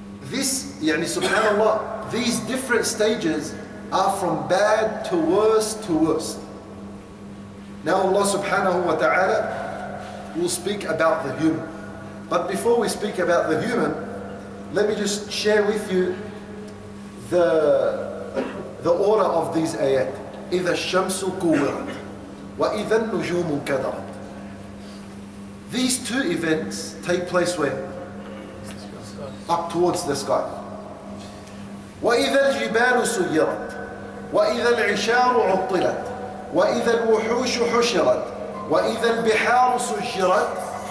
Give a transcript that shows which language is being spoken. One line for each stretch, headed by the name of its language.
English: This, يعني subhanAllah, these different stages are from bad to worse to worst. Now Allah subhanahu wa ta'ala we'll speak about the human. But before we speak about the human, let me just share with you the order of these ayat.
Arabic: إِذَا الشَّمْسُ كُوِّرَتْ وَإِذَا النُّجُومُ كَدَرَتْ.
English: These two events take place where? Up towards the sky.
Arabic: وَإِذَا الْجِبَالُ سُيِّرَتْ وَإِذَا الْعِشَارُ عُطِّلَتْ وَإِذَا الْوُحُوشُ حُشِرَتْ وَإِذَا الْبِحَارُ سُجِّرَتْ.